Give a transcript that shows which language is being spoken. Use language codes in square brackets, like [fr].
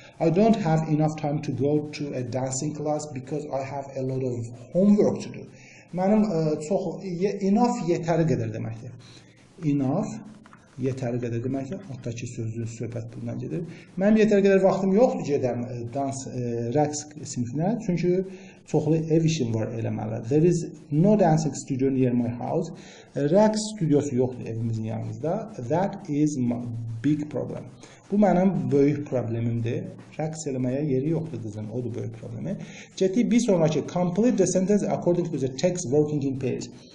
[en] I don't have enough time to go to a dancing class because I have a lot of homework to do. [az] Mənim çox enough yetəri qədər deməkdir. Enough yetəri qədər deməkdir. Altdakı sözün söhbət bundan gedir. Mənim yetəri qədər vaxtım yoxdur gedəm dans rəqs sinifinə. Çünki çoxlu ev işim var eləməli. [en] There is no dancing studio near my house. [az] Rəqs stüdyosu yoxdur evimizin yanımızda. [en] That is my big problem. [az] Bu mənim böyük problemimdir. Rəqs eləməyə yeri yoxdur qızım. O da böyük problemi. Getdik bir sonraki. [en] Complete the sentence according to the text working in pairs.